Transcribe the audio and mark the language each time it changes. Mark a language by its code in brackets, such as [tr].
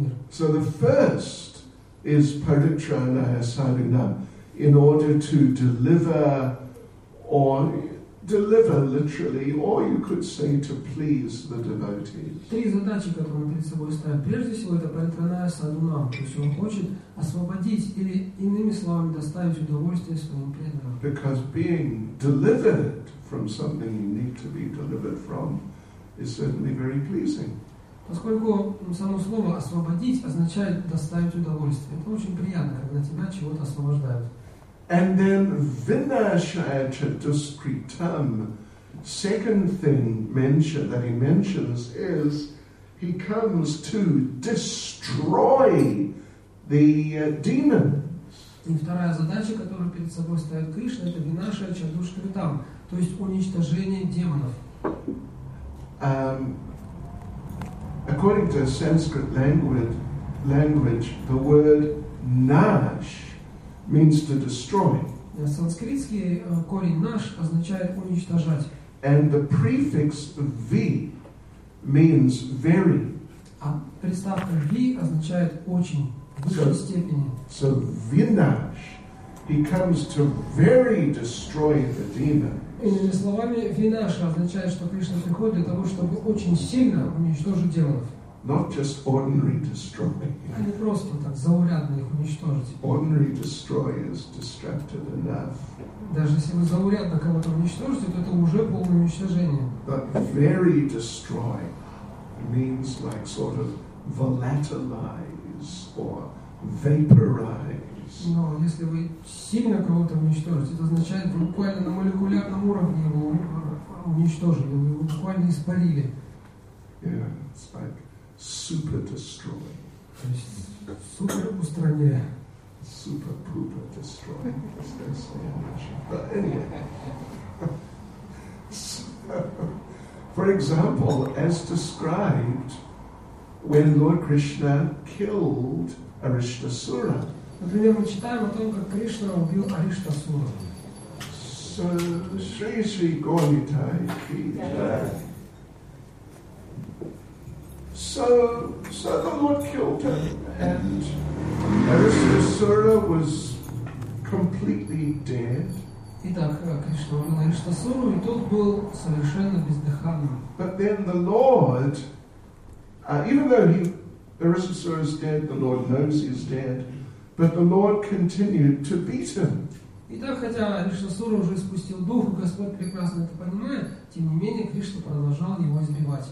[en] So the first is Paritranaya Sadhunam, in order to deliver literally, or you could say to please the devotees. [ru] Три задачи, которые он перед собой ставит. Прежде всего, это паритранная садхунам, то есть он хочет освободить или иными словами доставить удовольствие своим преданным. [en] Because being delivered from something you need to be delivered from is certainly very pleasing. [ru] Поскольку само слово освободить означает доставить удовольствие, это очень приятно, когда тебя чего-то освобождают. [en] And then Vinashaya Chaturskritam, second thing mentioned that he mentions is he comes to destroy the demons. [ru] И вторая задача, которую перед собой ставит Кришна, это Vinashaya Chaturskritam, то есть уничтожение демонов. [en] According to Sanskrit language, the word nash means to destroy. [ru] Санскритский корень наш означает уничтожать. [en] And the prefix V means very. [ru] А приставка V означает очень, в высшей степени. [en] So Vinash, he comes to very destroy the demon. [ru] Иными словами, Vinash означает, что Кришна приходит для того, чтобы очень сильно уничтожить демонов. [en] Not just ordinary destroying. [ru] Не просто так заурядно их уничтожить. [en] Ordinary destroy is destructive enough. [ru] Даже если вы заурядно кого-то уничтожите, то это уже полное уничтожение. [en] But very destroy means like sort of volatilize or vaporize. [ru] Но если вы сильно кого-то уничтожите, это означает буквально на молекулярном уровне его уничтожили, вы его буквально испарили. [en] Yeah, it's like super destroy. [ru] Супер устраняя. [en] Super pooper destroy. That's the same. But anyway. For example, as described when Lord Krishna killed Arishtasura. [ru] Например, мы читаем о том, как Кришна убил Арештасуру. [en] So, Sri Sri Gaurimitai. So the Lord killed him, and Arishtasura was completely dead. [ru] Итак, Кришна убил Арештасуру, и тот был совершенно бездыханным. [en] But then the Lord, even though Arishtasura is dead, the Lord knows he's dead. But the Lord continued to beat him. [ru] Итак, хотя Арештасура уже испустил дух, Господь прекрасно это понимает, тем не менее Кришна продолжал его избивать.